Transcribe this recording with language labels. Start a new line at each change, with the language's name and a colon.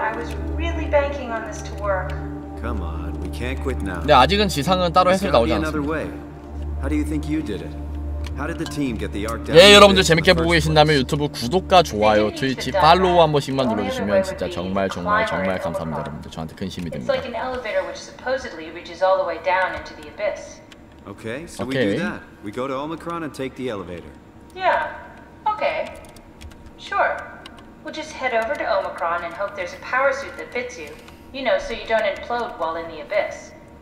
English: I was really banking on this to work. Come on, we can't quit now.
Korean: 근데 아직은 지상은 따로 해설 나오지 않습니다.
English: How do you think you did it? How did the team get the arc down?
Korean: 예, 여러분들 재밌게 보고 계신다면 유튜브 구독과 좋아요, 트위치 팔로우 한 번씩만 눌러주시면 진짜 정말 정말 정말 감사합니다, 여러분들. 저한테 큰 힘이 됩니다.
English: It's like an elevator which supposedly reaches all the way down into the abyss. Okay, so we do that. We go to Omicron and take the elevator. Yeah. Okay. Sure. We'll just head over to Omicron and hope there's a power suit that fits you. You know, so you don't implode while in the abyss.